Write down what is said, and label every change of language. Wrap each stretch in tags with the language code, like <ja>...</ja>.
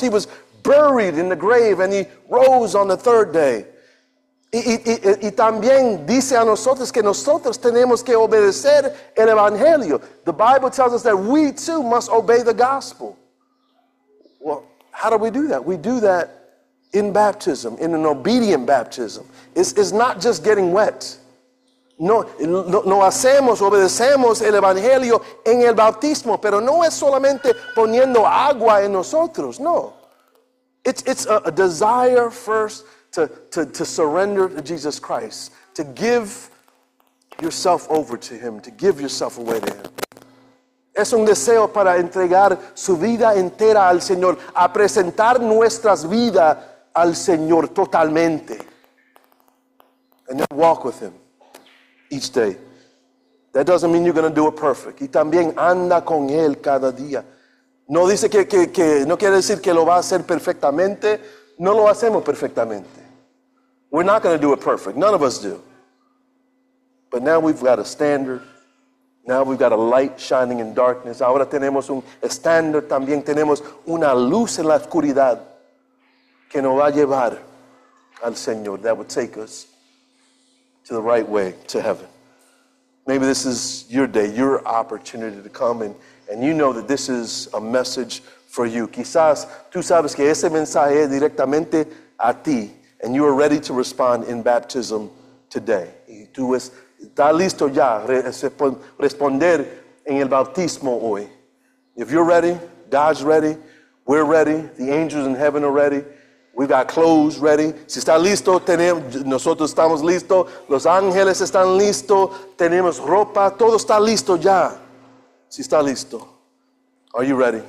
<en>He was buried in the grave, and he rose on the third day.</en> <es>Y también dice a nosotros que nosotros tenemos que obedecer el Evangelio.</es> <en>The Bible tells us that we too must obey the gospel. Well, how do we do that? We do that in baptism, in an obedient baptism. It's not just getting wet.</en> <es>No hacemos, obedecemos el Evangelio en el bautismo, pero no es solamente poniendo agua en nosotros, no.</es> <en>It's a desire first to surrender to Jesus Christ, to give yourself over to Him, to give yourself away to Him.</en> <es>Es un deseo para entregar su vida entera al Señor, a presentar nuestras vidas al Señor totalmente.</es> <en>And then walk with Him each day. That doesn't mean you're going to do it perfect.</en> <es>Y también anda con Él cada día. No dice que no quiere decir que lo va a hacer perfectamente. No lo hacemos perfectamente.</es> <en>We're not going to do it perfect. None of us do. But now we've got a standard. Now we've got a light shining in darkness.</en> <es>Ahora tenemos un estándar. También tenemos una luz en la oscuridad que nos va a llevar al Señor.</es> <en>That would take us to the right way to heaven. Maybe this is your day, your opportunity to come. And you know that this is a message for you.</en> <es>Quizás tú sabes que ese mensaje es directamente a ti.</es> <en>And you are ready to respond in baptism today.</en> <es>Y tú estás listo ya responder en el bautismo hoy.</es> <en>If you're ready, God's ready, we're ready, the angels in heaven are ready, We've got clothes ready.</en> <es>Si está listo, tenemos, nosotros estamos listos. Los ángeles están listos. Tenemos ropa. Todo está listo ya. Si está listo.</es> <en>Are you ready?</en>